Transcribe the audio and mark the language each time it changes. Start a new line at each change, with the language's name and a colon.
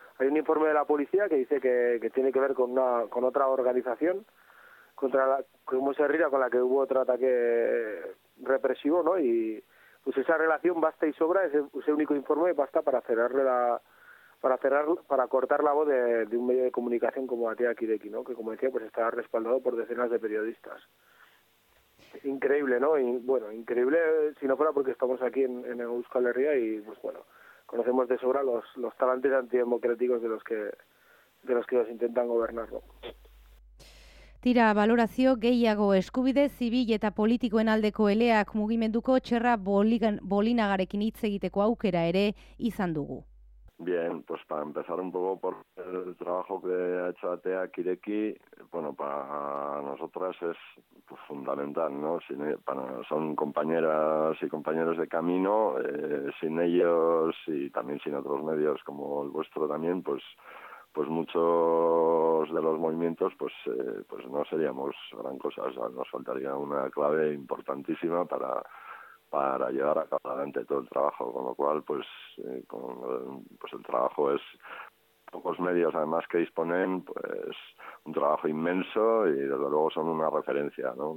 Spanish: Hay un informe de la policía que dice que tiene que ver con otra organización, contra la, como se rira, con la que hubo otro ataque represivo, ¿no? Y pues esa relación basta y sobra, ese único informe basta para cerrarle la, para cortar la voz de un medio de comunicación como Ateak Ireki, ¿no? Que, como decía, pues está respaldado por decenas de periodistas. Increíble, ¿no? Y, bueno, increíble si no fuera porque estamos aquí en Euskal Herria y, pues bueno, conocemos de sobra los talantes antidemocráticos de los que nos intentan gobernar, ¿no?
Basque: Tira, balorazio gehiago eskubide zibil eta politikoen aldeko eleak mugimenduko txerra bolinagarekin hitz egiteko aukera ere izan dugu.
Spanish: Bien, pues para empezar un poco por el trabajo que ha hecho Ateak Ireki, bueno, para nosotras es pues, fundamental, ¿no? Sin, para, son compañeras y compañeros de camino, sin ellos y también sin otros medios como el vuestro también, pues muchos de los movimientos pues no seríamos gran cosa, o sea, nos faltaría una clave importantísima para llevar a cabo adelante todo el trabajo, con lo cual pues el trabajo es pocos medios además que disponen, pues un trabajo inmenso y desde luego son una referencia, ¿no?